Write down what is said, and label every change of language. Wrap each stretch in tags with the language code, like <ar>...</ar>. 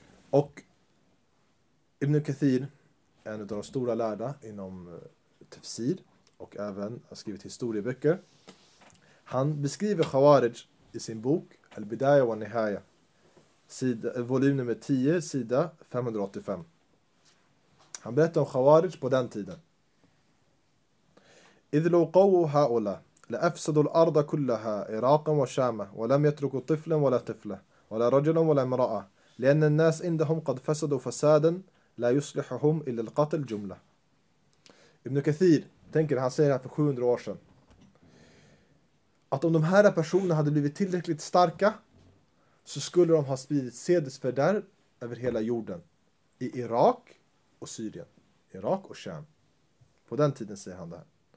<sv>Och Ibn Kathir, en av de stora lärda inom tafsir och även har skrivit historieböcker. Han beskriver Khawarij i sin bok Al-Bidaya wa Nihaya. Volym nummer 10, sida 585. Han berättar om Khawarij på den tiden.</sv> <ar>إذ لو قووا هؤلاء لأفسدوا الأرض كلها عراقا وشاما ولم يتركوا طفلا ولا طفلة ولا رجلا ولا امرأة لأن الناس عندهم قد فسدوا فسادا لا يصلحهم إلا القتل جملة.</ar> <sv>Ibn Kathir tänker, han säger det för 700 år sedan. Att om de här personerna hade blivit tillräckligt starka så skulle de ha spridit sedesfördärv över hela jorden. I Irak och Syrien. Irak och Sham. På den tiden säger han det här.</sv>